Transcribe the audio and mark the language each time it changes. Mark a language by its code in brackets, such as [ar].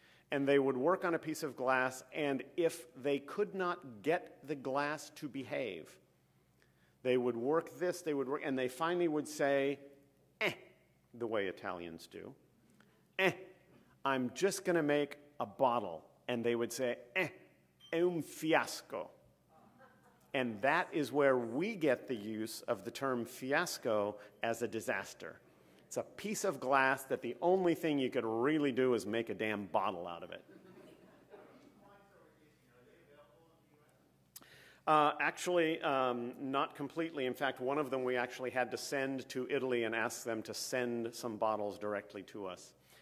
[en] And they would work on a piece of glass, and if they could not get the glass to behave, they would work, and they finally would say, eh, the way Italians do, eh, I'm just going to make a bottle. And they would say, eh, [it] è un fiasco. [en] And that is where we get the use of the term fiasco as a disaster. It's a piece of glass that the only thing you could really do is make a damn bottle out of it. Not completely. In fact, one of them we actually had to send to Italy and ask them to send some bottles directly to us.